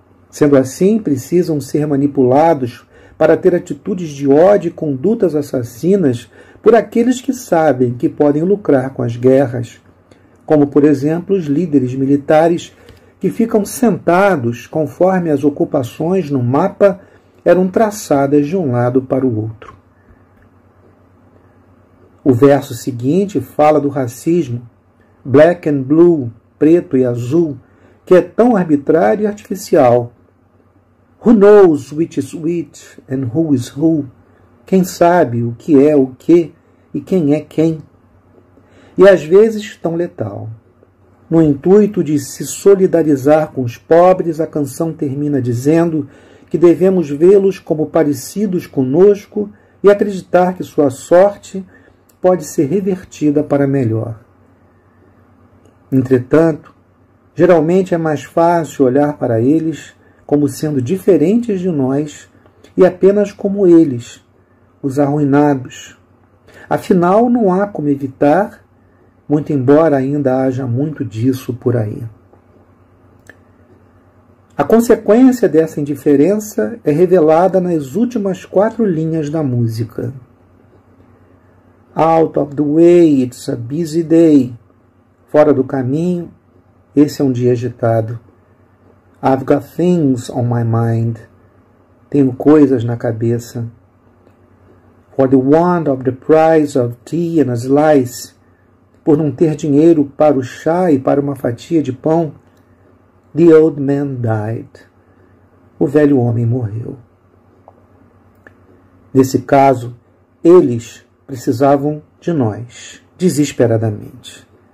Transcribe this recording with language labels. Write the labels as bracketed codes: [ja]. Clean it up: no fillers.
[pt] Sendo assim, precisam ser manipulados para ter atitudes de ódio e condutas assassinas por aqueles que sabem que podem lucrar com as guerras, como, por exemplo, os líderes militares que ficam sentados conforme as ocupações no mapa eram traçadas de um lado para o outro. O verso seguinte fala do racismo, [en] black and blue, [pt] preto e azul, que é tão arbitrário e artificial. [en] Who knows which is which and who is who? [pt] Quem sabe o que é o que e quem é quem? E às vezes tão letal. No intuito de se solidarizar com os pobres, a canção termina dizendo que devemos vê-los como parecidos conosco e acreditar que sua sorte pode ser revertida para melhor. Entretanto, geralmente é mais fácil olhar para eles como sendo diferentes de nós e apenas como eles, os arruinados. Afinal, não há como evitar, muito embora ainda haja muito disso por aí. A consequência dessa indiferença é revelada nas últimas quatro linhas da música. [en] Out of the way, it's a busy day. [pt] Fora do caminho, esse é um dia agitado. [en] I've got things on my mind. [pt] Tenho coisas na cabeça. [en] For the want of the price of tea and a slice. [pt] Por não ter dinheiro para o chá e para uma fatia de pão. [en] The old man died. [pt] O velho homem morreu. Nesse caso, eles precisavam de nós, desesperadamente.